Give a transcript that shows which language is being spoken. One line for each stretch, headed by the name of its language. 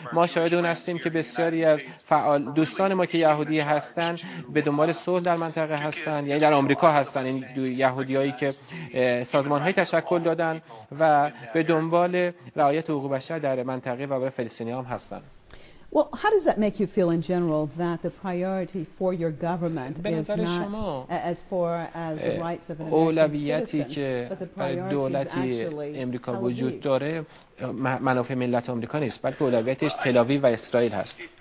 Persian: ما شاهد اون هستیم که بسیاری از فعال دوستان ما که یهودی هستن به دنبال صلح در منطقه هستن، یعنی در امریکا هستن، این یهودیایی که سازمان‌های تشکل دادن و به دنبال رعایت حقوق بشر در منطقه و برای فلسطینی‌ها هم هستن.
English: Well, how does that make you feel in general that the priority for your government is not as for as the rights of an American
Persian: اولویتی که دولتی امریکا وجود داره منافع ملت امریکا نیست، بلکه اولویتش تل آویو و اسرائیل هست.